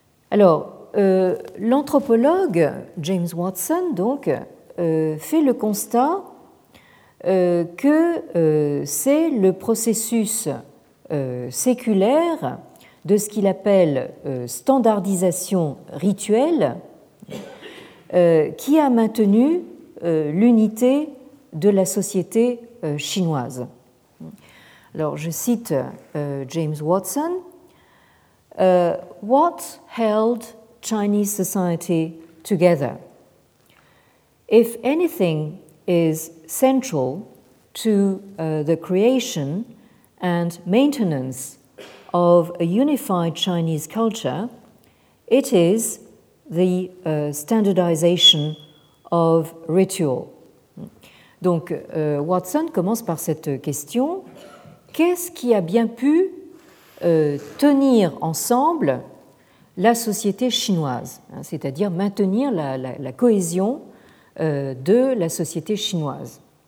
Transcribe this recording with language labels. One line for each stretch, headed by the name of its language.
French: Alors, l'anthropologue James Watson donc fait le constat que c'est le processus séculaire de ce qu'il appelle standardisation rituelle qui a maintenu l'unité de la société chinoise. Alors, je cite James Watson.
English: What held Chinese society together? If anything is central to the creation and maintenance of a unified Chinese culture, it is the standardization of ritual.
French: Donc, Watson commence par cette question. Qu'est-ce qui a bien pu tenir ensemble la société chinoise, hein, c'est-à-dire maintenir la cohésion de la société chinoise?